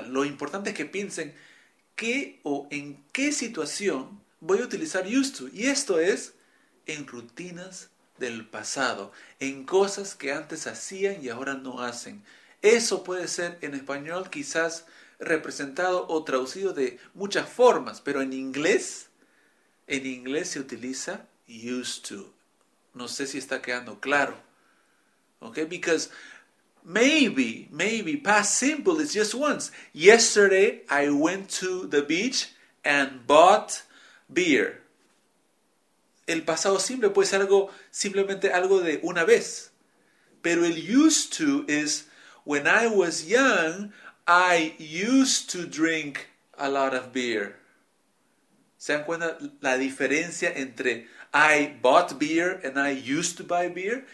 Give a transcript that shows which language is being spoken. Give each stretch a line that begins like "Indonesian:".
Spanish: Lo importante es que piensen qué o en qué situación voy a utilizar used to. Y esto es en rutinas del pasado, en cosas que antes hacían y ahora no hacen. Eso puede ser en español quizás representado o traducido de muchas formas, pero en inglés se utiliza used to. No sé si está quedando claro.
English: Okay, because maybe past simple is just once. Yesterday I went to the beach and bought beer.
Spanish: El pasado simple puede ser algo, simplemente algo de una vez.
English: Pero el used to es, when I was young, I used to drink a lot of beer. ¿Se dan cuenta la diferencia entre I bought beer and I used to buy beer?